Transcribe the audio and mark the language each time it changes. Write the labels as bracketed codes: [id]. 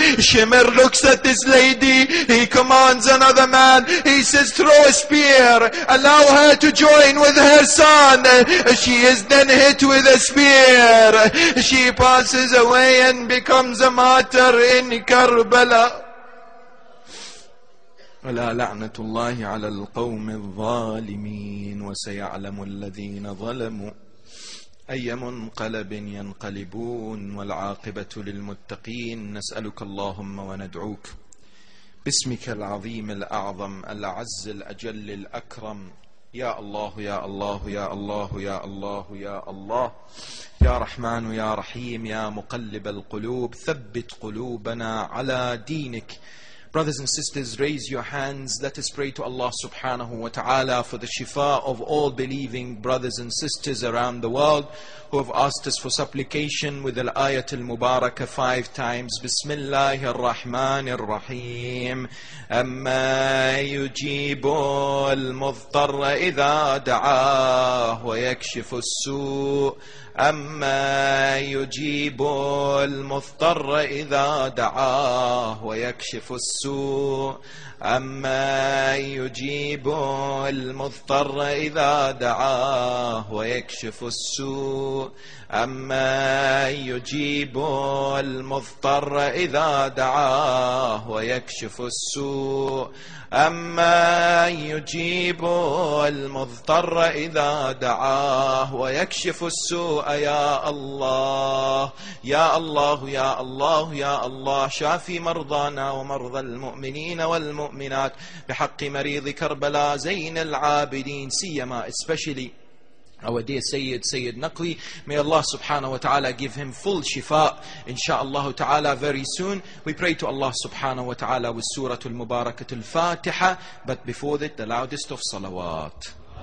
[en] Shimr looks at this lady. He commands another man. He says, throw a spear. Allow her to join with her son. She is then hit with a spear. She passes away and becomes a martyr in Karbala. [ar] ولا لعنة الله على القوم الظالمين وسيعلم الذين ظلموا أي منقلب ينقلبون والعاقبة للمتقين نسألك اللهم وندعوك باسمك العظيم الأعظم العز الأجل الأكرم يا الله يا الله يا الله يا الله يا الله يا رحمن يا رحيم يا مقلب القلوب ثبت قلوبنا على دينك. [en] Brothers and sisters, raise your hands. Let us pray to Allah subhanahu wa ta'ala for the shifa of all believing brothers and sisters around the world who have asked us for supplication with al-ayat al-mubarakah 5 times. [ar] Bismillah ar-Rahman ar-Rahim. Amma yujibu al-muzdarra idha da'ah wa yakshifu al-su' أما يجيب المضطر إذا دعاه ويكشف السوء أما يجيب المضطر إذا دعاه ويكشف السوء أما يجيب المضطر إذا دعاه ويكشف السوء أما يجيب المضطر إذا دعاه ويكشف السوء يا الله يا الله يا الله يا الله شافي مرضانا ومرضى المؤمنين والمؤمنات بحق مريض كربلاء زين العابدين سيما [en] especially our dear Sayyid, Sayyid Naqli. May Allah subhanahu wa ta'ala give him full shifa, insha'Allah ta'ala, very soon. We pray to Allah subhanahu wa ta'ala with Surah Al-Mubarakah Al-Fatiha, but before that, the loudest of salawat.